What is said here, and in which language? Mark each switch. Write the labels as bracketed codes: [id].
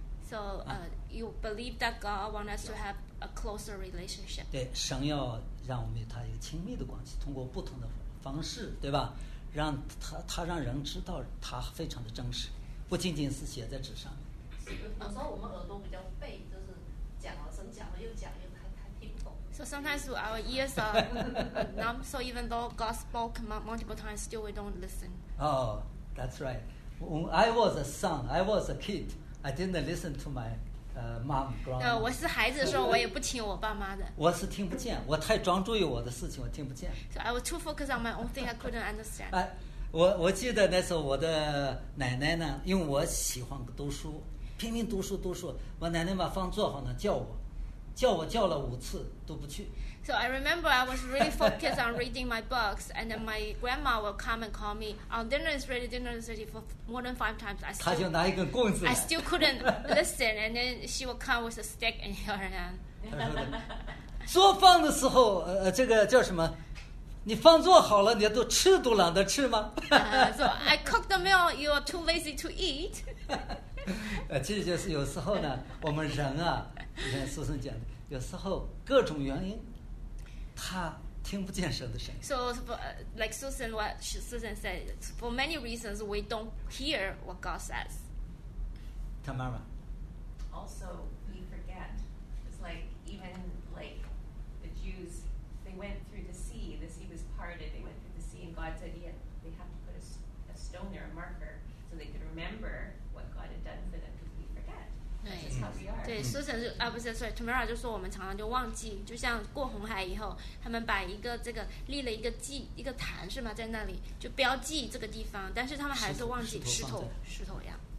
[en] So you believe that God wants us to have a closer relationship. [zh] 对，神要让我们与他有亲密的关系，通过不同的方式，对吧？让他让人知道他非常的真实，不仅仅是写在纸上。有时候我们耳朵比较背，就是讲了神讲了又讲又 [en] So sometimes our ears are numb. So even though God spoke multiple times, still we don't listen. Oh, that's right. When I was a son, I was a kid. I didn't listen to my mom. [zh] 我是孩子的时候，我也不听我爸妈的。我是听不见，我太专注于我的事情，我听不见。 [en] So I was too focused on my own thing. I couldn't understand. [zh] 我记得那时候我的奶奶呢，因为我喜欢读书，拼命读书读书。我奶奶把饭做好呢，叫我叫了五次都不去。 [en] So I remember I was really focused on reading my books, and then my grandma will come and call me. Oh, dinner is ready for more than five times. I still, [zh] 他就拿一根棍子。 [en] I still couldn't listen, and then she will come with a stick in her hand. [zh] 做饭的时候，这个叫什么？你饭做好了，你都吃都懒得吃吗？ [en] So I cook the meal. You are too lazy to eat. [zh] 其实就是有时候呢，我们人啊，就像苏生讲的，有时候各种原因。他听不见神的声音。 [en] So, like Susan, Susan said, for many reasons, we don't hear what God says. Tamara. Also, we forget. It's like, even like the Jews, they went through the sea was parted, they went through the sea, and God said they have to put a stone there, a marker, so they could remember what God had done for them, because we forget. [zh] 对，苏神就啊不是，所以 Tamara 就说我们常常就忘记，就像过红海以后，他们把一个这个立了一个记一个坛是吗，在那里就标记这个地方，但是他们还是忘记石头一样。